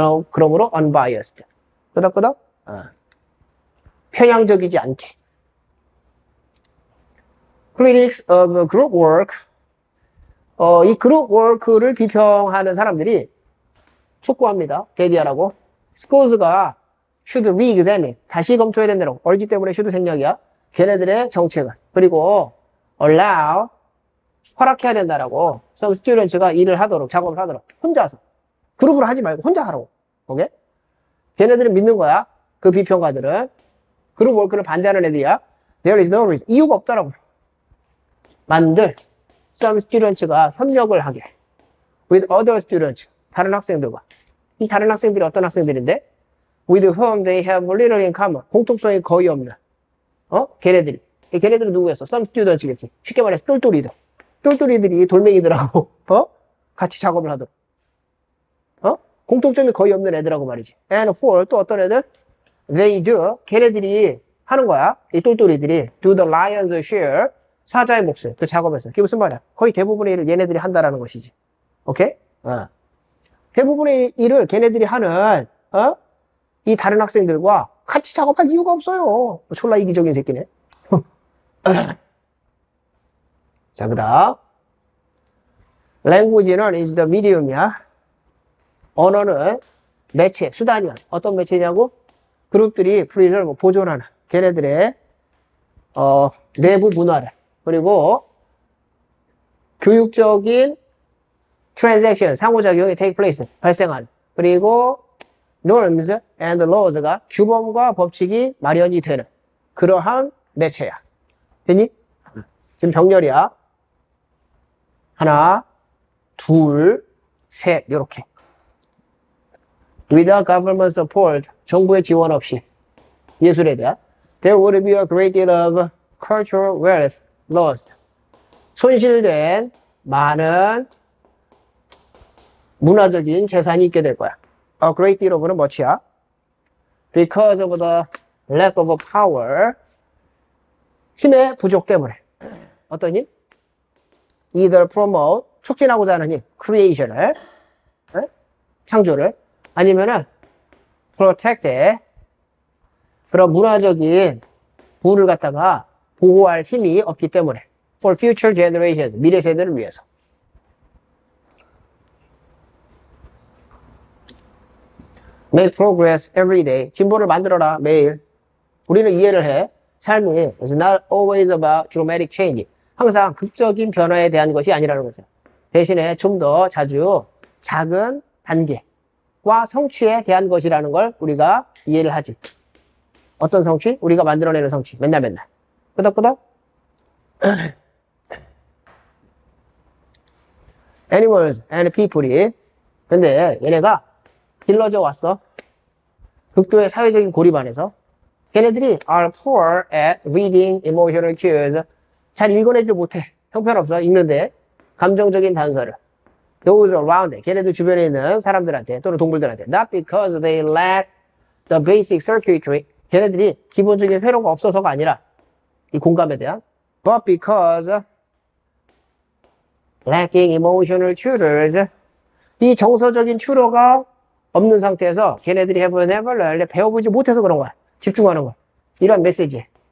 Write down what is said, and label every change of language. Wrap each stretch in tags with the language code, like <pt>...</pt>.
<ko>그러므로</ko> <en>unbiased.</en> <ko>끄덕끄덕. 편향적이지 않게.</ko> <en>Critics of group work.</en> <ko>이 group work를 비평하는 사람들이 촉구합니다. 대비하라고.</ko> <en>Scores가 should re-examine.</en> <ko>다시 검토해야 된다고. 얼지 때문에 should 생략이야. 걔네들의 정책을. 그리고</ko> <en>allow.</en> <ko>허락해야 된다라고.</ko> <en>Some students</en> <ko>가 일을 하도록, 작업을 하도록. 혼자서. 그룹으로 하지 말고 혼자 하라고. 오케이? 걔네들은 믿는 거야. 그 비평가들은. 그룹 워크를 반대하는 애들이야.</ko> <en>There is no reason.</en> <ko>이유가 없다라고. 만들.</ko> <en>Some students</en> <ko>가 협력을 하게.</ko> <en>With other students.</en> <ko>다른 학생들과. 이 다른 학생들이 어떤 학생들인데?</ko> <en>With whom they have little in common.</en> <ko>공통성이 거의 없는. 걔네들이. 걔네들은 누구였어?</ko> <en>Some students겠지.</en> <ko>쉽게 말해서 똘똘이들. 똘똘이들이 돌멩이들하고 같이 작업을 하도록. 공통점이 거의 없는 애들하고 말이지.</ko> <en>And for</en> <ko>또 어떤 애들?</ko> <en>They do.</en> <ko>걔네들이 하는 거야. 이 똘똘이들이.</ko> <en>Do the lion's share.</en> <ko>사자의 몫을. 그 작업에서. 그게 무슨 말이야? 거의 대부분의 일을 얘네들이 한다라는 것이지. 오케이? 대부분의 일을 걔네들이 하는 이 다른 학생들과 같이 작업할 이유가 없어요. 졸라 이기적인 새끼네. 자, 그다음.</ko> <en>Language</en> <ko>는</ko> <en>is the medium이야.</en> <ko>언어는 매체, 수단이야. 어떤 매체냐고? 그룹들이 프리를 보존하는 걔네들의 내부 문화를 그리고 교육적인 transaction, 상호작용이 take place, 발생한 그리고</ko> <en>norms and laws</en> <ko>가 규범과 법칙이 마련이 되는 그러한 매체야. 됐니? 지금 병렬이야. 하나, 둘, 셋, 요렇게.</ko> <en>Without government support,</en> <ko>정부의 지원 없이 예술에 대한.</ko> <en>There would be a great deal of cultural wealth lost.</en> <ko>손실된 많은 문화적인 재산이 있게 될 거야.</ko> <en>A great deal of</en> <ko>는 뭐지야?</ko> <en>Because of the lack of power.</en> <ko>힘의 부족 때문에. 어떤 힘?</ko> <en>Either promote,</en> <ko>촉진하고자 하는 힘, creation을, 창조를, 아니면은 protect에, 그런 문화적인 부를 갖다가 보호할 힘이 없기 때문에.</ko> <en>For future generations,</en> <ko>미래 세대를 위해서.</ko> <en>make progress every day.</en> <ko>진보를 만들어라, 매일. 우리는 이해를 해. 삶이</ko> <en>is not always about dramatic change.</en> <ko>항상 극적인 변화에 대한 것이 아니라는 거죠. 대신에 좀더 자주 작은 단계와 성취에 대한 것이라는 걸 우리가 이해를 하지. 어떤 성취? 우리가 만들어내는 성취. 맨날 맨날. 끄덕끄덕. Animals and people이. 근데 얘네가 길러져 왔어. 극도의 사회적인 고립 안에서 걔네들이</ko> <en>are poor at reading emotional cues.</en> <ko>잘 읽어내지 못해. 형편없어. 읽는데 감정적인 단서를.</ko> <en>Those around,</en> <ko>걔네들 주변에 있는 사람들한테 또는 동물들한테.</ko> <en>Not because they lack the basic circuitry.</en> <ko>걔네들이 기본적인 회로가 없어서가 아니라 이 공감에 대한.</ko> <en>But because lacking emotional tutors.</en> <ko>이 정서적인 튜러가 없는 상태에서 걔네들이</ko> <en>have never learned,</en> <ko>배워보지 못해서 그런 거야. 집중하는 거야. 이런 메시지.</ko>